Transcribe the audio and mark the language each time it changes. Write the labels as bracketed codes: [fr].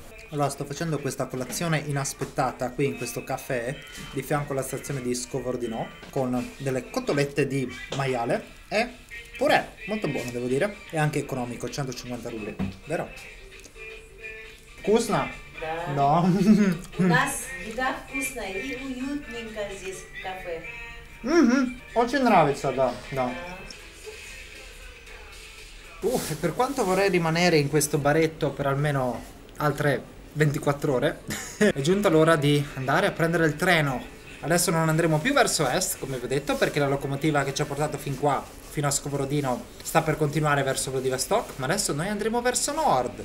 [it] Allora, sto facendo questa colazione inaspettata qui in questo caffè di fianco alla stazione di Skovorodino con delle cotolette di maiale e purè, molto buono devo dire, e anche economico, 150 rubli, vero? [ru] Kusna? Da. No. У нас еда вкусная и уютненько здесь кафе. Очень нравится, да, да. [it] E per quanto vorrei rimanere in questo baretto per almeno altre 24 ore, è giunta l'ora di andare a prendere il treno. Adesso non andremo più verso est, come vi ho detto, perché la locomotiva che ci ha portato fin qua, fino a Skovorodino, sta per continuare verso Vladivostok, ma adesso noi andremo verso nord.